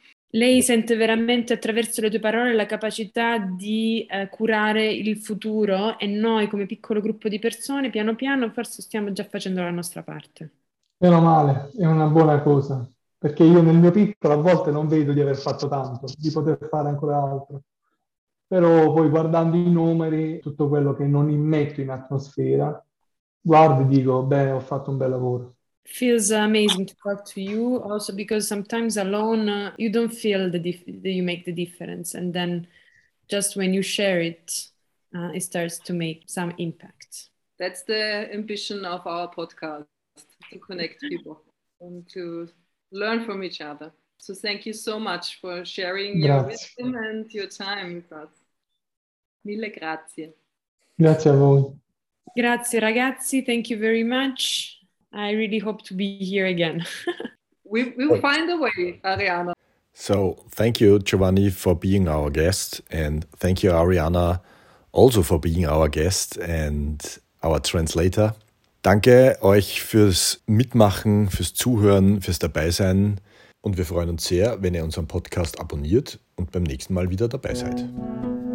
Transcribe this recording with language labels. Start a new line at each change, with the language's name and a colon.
Italian: Lei sente veramente attraverso le tue parole la capacità di curare il futuro, e noi come piccolo gruppo di persone, piano piano, forse stiamo già facendo la nostra parte. Meno male, è una buona cosa, perché io nel mio piccolo a volte non vedo di aver fatto tanto, di poter fare ancora altro. Però poi guardando i numeri, tutto quello che non immetto in atmosfera, guardo e dico, bene, ho fatto un bel lavoro.
English: Feels amazing to talk to you also, because sometimes alone you don't feel that you make the difference, and then just when you share it, it starts to make some impact. That's the ambition of our podcast, to connect people and to learn from each other. So thank you so much for sharing your wisdom and your time with us.
Italian: Mille grazie. Grazie a voi. Grazie ragazzi,
English: thank you very much. I really hope to be here again. We'll find a way, Ariana. So thank you, Giovanni, for being our guest. And thank you, Ariana, also for being our guest and our translator.
German: Danke euch fürs Mitmachen, fürs Zuhören, fürs Dabeisein. Und wir freuen uns sehr, wenn ihr unseren Podcast abonniert und beim nächsten Mal wieder dabei seid.